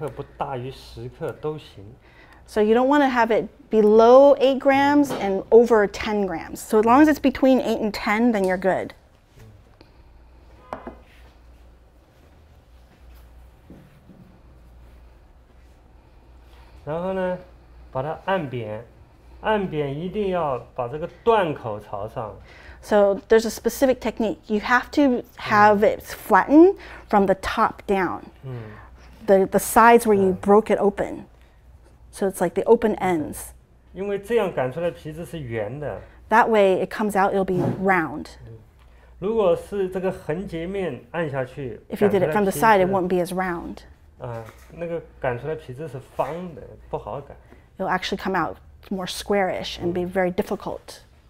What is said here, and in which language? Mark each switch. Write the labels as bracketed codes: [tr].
[zh] 一般只要不少于8克，不大于10克都行。 [en] So you don't want to have it below 8 grams and over 10 grams. So as long as it's between 8 and 10, then you're good. [zh] 然后呢，把它按扁，按扁一定要把这个断口朝上。So [en] there's a specific technique. You have to have it flattened from the top down. The sides where you broke it open. So it's like the open ends. [zh] 因为这样擀出来皮子是圆的。That [en] way it comes out, it'll be round. [zh] 如果是这个横截面按下去，If [en] you did it from the side, it won't be as round. [zh] 那个擀出来皮子是方的，不好擀。It'll [en] actually come out more squarish and be very difficult.